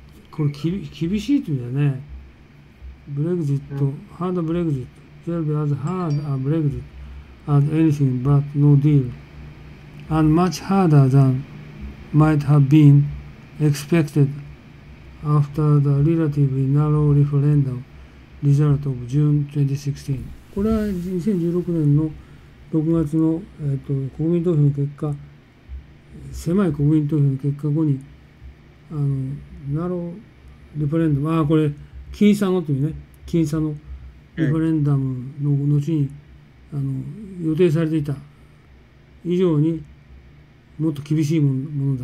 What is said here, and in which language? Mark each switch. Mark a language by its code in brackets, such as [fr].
[ja] これ厳しいって意味だね。 [en] Brexit, hard a Brexit, will be as hard a Brexit. As anything but no deal, and much harder than might have been expected after the relatively narrow referendum result of June 2016. [ja] これは2016年の6月の、国民投票の結果、狭い国民投票の結果後に、 [en] narrow referendum、 [ja] これ、僅差のというね、僅差のリファレンダムの後に、予定されていた以上にもっと厳しいものだ。